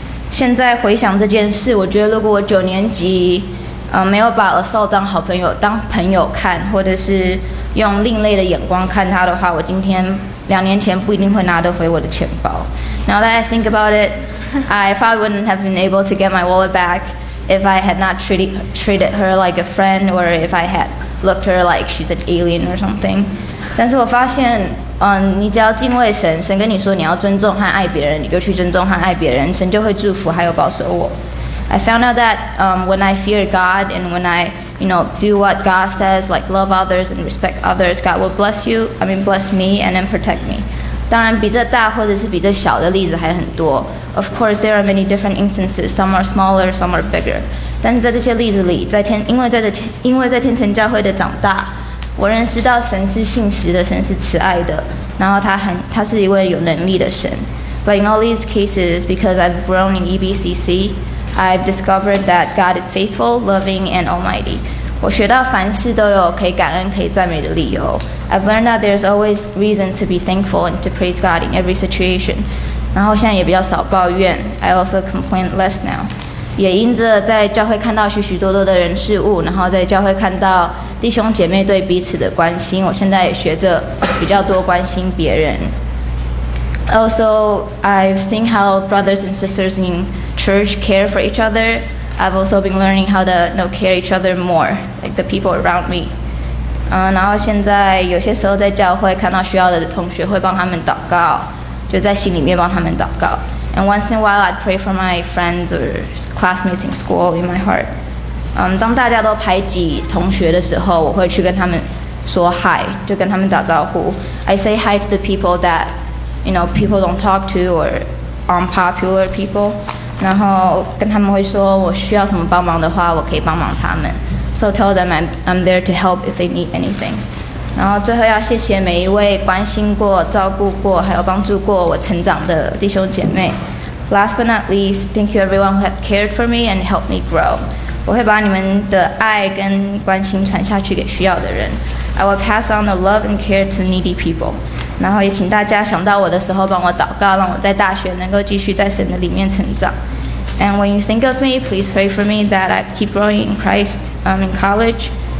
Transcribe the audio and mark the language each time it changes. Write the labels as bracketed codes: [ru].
[zh] 现在回想这件事，我觉得如果我九年级，没有把 Assault 当好朋友当朋友看，或者是用另类的眼光看他的话，我今天两年前不一定会拿得回我的钱包。 [en] Now that I think about it, I probably wouldn't have been able to get my wallet back if I had not treated her like a friend, or if I had looked her like she's an alien or something. [zh] 但是我发现。你只要敬畏神，神跟你说你要尊重和爱别人，你就去尊重和爱别人，神就会祝福还有保守我。 [en] I found out that when I fear God and when I, you know, do what God says, like love others and respect others, God will bless you. I mean, bless me and then protect me. [zh] 当然，比这大或者是比这小的例子还很多。 [en] Of course, there are many different instances. Some are smaller, some are bigger. [zh] 但是在这些例子里，因为在天成教会的长大。我认识到神是信实的，神是慈爱的，然后他是一位有能力的神。 [en] But in all these cases, because I've grown in EBCC, I've discovered that God is faithful, loving, and almighty. [zh] 我学到凡事都有可以感恩、可以赞美的理由。 [en] I've learned that there's always reason to be thankful and to praise God in every situation. [zh] 然后现在也比较少抱怨。 [en] I also complain less now. [zh] 也因着在教会看到许许多多的人事物，然后在教会看到。弟兄姐妹对彼此的关心，我现在也学着比较多关心别人。 [en] Also, I've seen how brothers and sisters in church care for each other. I've also been learning how to, you know, care each other more, like the people around me. [zh] 然后现在有些时候在教会看到需要的同学，会帮他们祷告，就在心里面帮他们祷告。 [en] And once in a while, I'd pray for my friends or classmates in school in my heart. [zh] 当大家都排挤同学的时候，我会去跟他们说 hi， 就跟他们打招呼。 [en] I say hi to the people that you know people don't talk to or unpopular people， [zh] 然后跟他们会说我需要什么帮忙的话，我可以帮忙他们。 [en] So tell them I'm there to help if they need anything。 [zh] 然后最后要谢谢每一位关心过、照顾过、还有帮助过我成长的弟兄姐妹。 [en] Last but not least, thank you everyone who have cared for me and helped me grow. [zh] 我会把你们的爱跟关心传下去给需要的人。 [en] I will pass on the love and care to needy people. [zh] 然后也请大家想到我的时候帮我祷告，让我在大学能够继续在神的里面成长。 [en] And when you think of me, please pray for me that I keep growing in Christ, in college.